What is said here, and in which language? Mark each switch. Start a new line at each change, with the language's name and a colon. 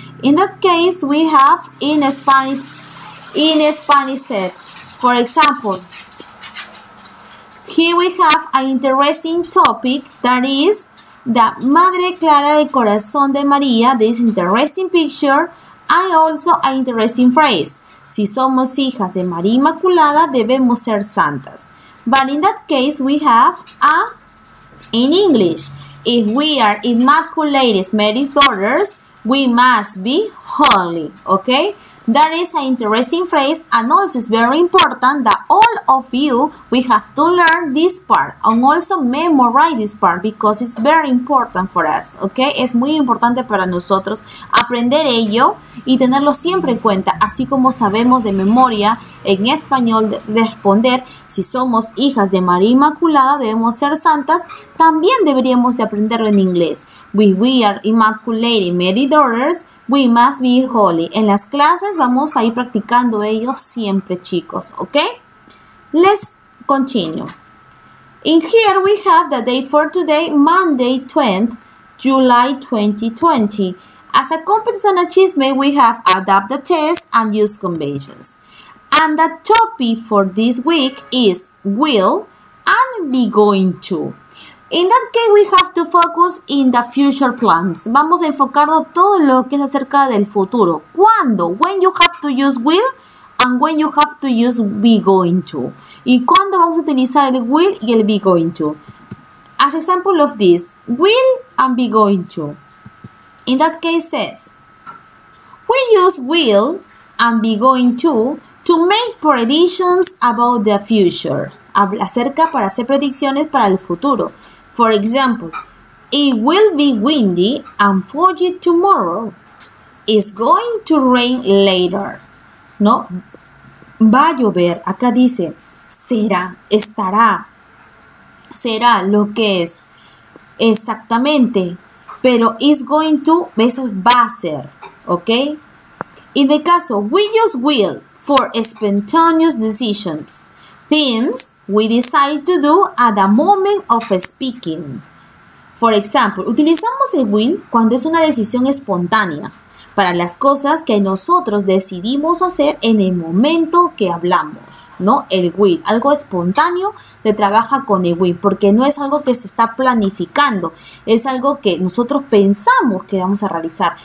English: In that case, we have in Spanish set. For example, here we have an interesting topic that is the Madre Clara del Corazón de María, this interesting picture, and also an interesting phrase.
Spanish: Si somos hijas de María Inmaculada, debemos ser santas.
English: But in that case, we have a, in English, if we are Immaculate Mary's daughters, we must be holy, okay? That is an interesting phrase, and also it's very important that all of you, we have to learn this part, and also memorize this part, because it's very important for us, okay?
Spanish: Es muy importante para nosotros aprender ello y tenerlo siempre en cuenta, así como sabemos de memoria, en español, de responder, si somos hijas de María Inmaculada, debemos ser santas, también deberíamos de aprenderlo en inglés.
English: We are Immaculate Mary daughters, we must be holy.
Spanish: En las clases vamos a ir practicando ello siempre, chicos, ¿ok?
English: Let's continue. In here we have the day for today, Monday 20th, July 2020. As a competence and achievement, we have adapt the test and use conventions. And the topic for this week is will and be going to. In that case, we have to focus in the future plans.
Spanish: Vamos a enfocarnos todo lo que es acerca del futuro. ¿Cuándo?
English: When you have to use will and when you have to use be going to.
Spanish: ¿Y cuándo vamos a utilizar el will y el be going to?
English: As example of this, will and be going to. In that case says, we use will and be going to make predictions about the future. Acerca para hacer predicciones para el futuro. For example, it will be windy and foggy tomorrow. It's going to rain later.
Spanish: ¿No? Va a llover. Acá dice, será, estará. Será lo que es. Exactamente. Pero
English: it's going to,
Spanish: eso va a ser. ¿Ok?
English: In the caso, we use will for spontaneous decisions. Things we decide to do at the moment of speaking. For example,
Spanish: utilizamos el will cuando es una decisión espontánea para las cosas que nosotros decidimos hacer en el momento que hablamos, ¿no? El will, algo espontáneo, se trabaja con el will porque no es algo que se está planificando, es algo que nosotros pensamos que vamos a realizar.